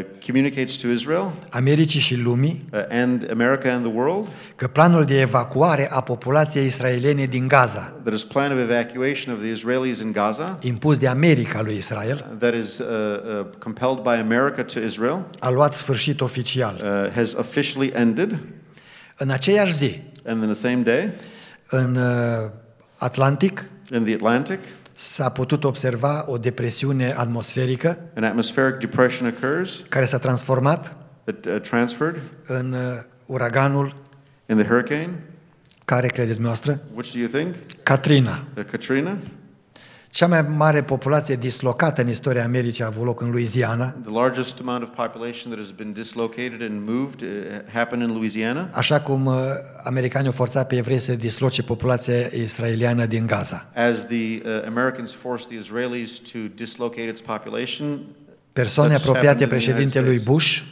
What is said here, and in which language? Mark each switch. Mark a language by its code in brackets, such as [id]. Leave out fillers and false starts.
[en] communicates to Israel, [ro] Americii și lumii, [en] and America and the world, [ro] că planul de evacuare a populației israeliene din Gaza, [en] that is plan of evacuation of the Israelis in Gaza, [ro] impus de America lui Israel, [en] that is compelled by America to Israel, [ro] a luat sfârșit oficial, [en] has officially ended, [ro] în aceeași zi, [en] and in the same day. [ro] În Atlantic, [en] in the Atlantic [ro] s-a putut observa o depresiune atmosferică, [en] an atmospheric depression occurs, [ro] care s-a transformat [en] transferred, [ro] în uraganul, [en] in the hurricane, [ro] care credeți noastră? [en] Which do you think? [ro] Katrina. [en] Katrina. [ro] Cea mai mare populație dislocată în istoria Americii a avut loc în Louisiana. [en] The largest amount of population that has been dislocated and moved happened in Louisiana. [ro] Așa cum americanii au forțat pe evrei să disloce populația israeliană din Gaza. [en] As the Americans forced the Israelis to dislocate its population. [ro] Persoane apropiate președintelui Bush,